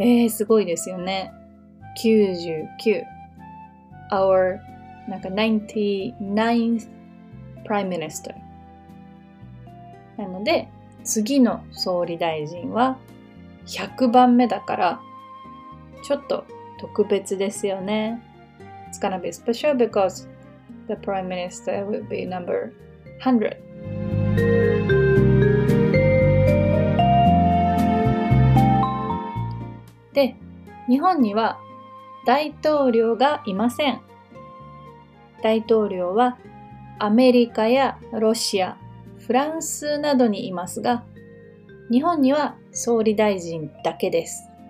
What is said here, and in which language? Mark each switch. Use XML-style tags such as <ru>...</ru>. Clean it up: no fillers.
<ja>すごいですよね。</ja> <en>99. Our 99th Prime Minister.</en> <ja>なので、次の総理大臣は100番目だから、ちょっと特別ですよね。</ja> <en>It's gonna be special because the Prime Minister will be number 100.</en> <ja>で、日本には大統領がいません。大統領はアメリカやロシア、フランスなどにいますが、日本には総理大臣だけです。</ja>